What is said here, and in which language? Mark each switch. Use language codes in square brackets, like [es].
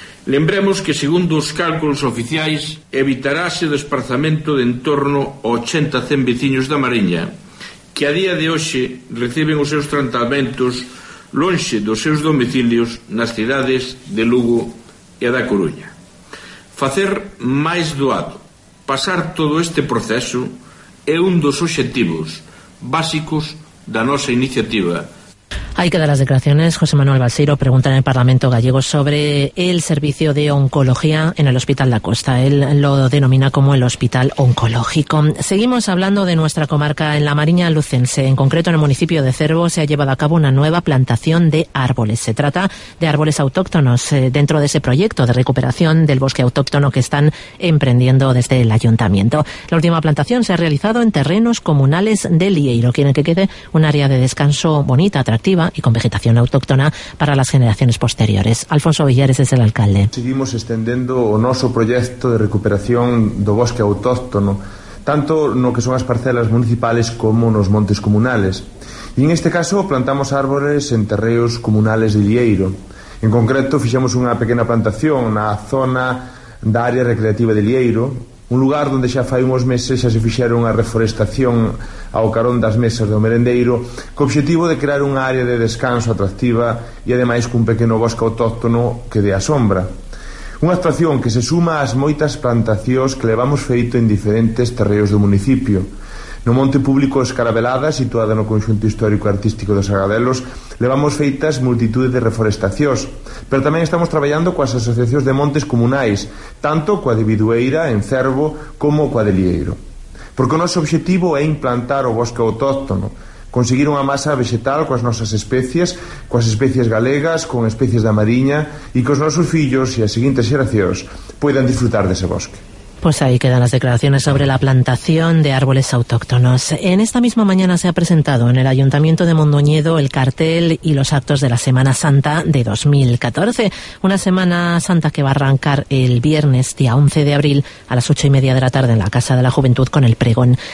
[gl] Lembremos que, segundo os cálculos oficiais, evitarase o desprazamento de en torno a 80-100 veciños da Mariña que a día de hoxe reciben os seus tratamentos lonxe dos seus domicilios nas cidades de Lugo e da Coruña. Facer máis doado, pasar todo este proceso, é un dos obxectivos básicos da nosa iniciativa. [es] Ahí quedan las declaraciones. José Manuel Balseiro pregunta en el Parlamento gallego sobre el servicio de oncología en el Hospital da Costa. Él lo denomina como el hospital oncológico. Seguimos hablando de nuestra comarca en la Mariña Lucense. En concreto, en el municipio de Cervo se ha llevado a cabo una nueva plantación de árboles. Se trata de árboles autóctonos dentro de ese proyecto de recuperación del bosque autóctono que están emprendiendo desde el ayuntamiento. La última plantación se ha realizado en terrenos comunales de Lieiro. Quieren que quede un área de descanso bonita, atractiva y con vegetación autóctona para las generaciones posteriores. Alfonso Villares es el alcalde. [gl] Seguimos extendendo o noso proyecto de recuperación do bosque autóctono, tanto no que son as parcelas municipales como nos montes comunales. E en este caso plantamos árboles en terreos comunales de Lieiro. En concreto, fixamos unha pequena plantación na zona da área recreativa de Lieiro, un lugar onde xa fai uns meses xa se fixeron a reforestación ao carón das mesas do merendeiro, co obxectivo de crear unha área de descanso atractiva e ademais cun pequeno bosque autóctono que dé a sombra. Unha actuación que se suma ás moitas plantacións que levamos feito en diferentes terreos do municipio. No monte público Escarabelada, situada no conxunto histórico e artístico dos Agadelos, levamos feitas multitude de reforestacións, pero tamén estamos traballando coas asociacións de montes comunais, tanto coa de Bidueira, en Cervo, como coa de Lieiro. Porque o noso obxectivo é implantar o bosque autóctono, conseguir unha masa vegetal coas nosas especies, coas especies galegas, con especies da mariña, e que os nosos fillos e as seguintes xeracións poidan disfrutar dese bosque. [es] Pues ahí quedan las declaraciones sobre la plantación de árboles autóctonos. En esta misma mañana se ha presentado en el Ayuntamiento de Mondoñedo el cartel y los actos de la Semana Santa de 2014. Una Semana Santa que va a arrancar el viernes, día 11 de abril, a las 8:30 de la tarde en la Casa de la Juventud con el pregón.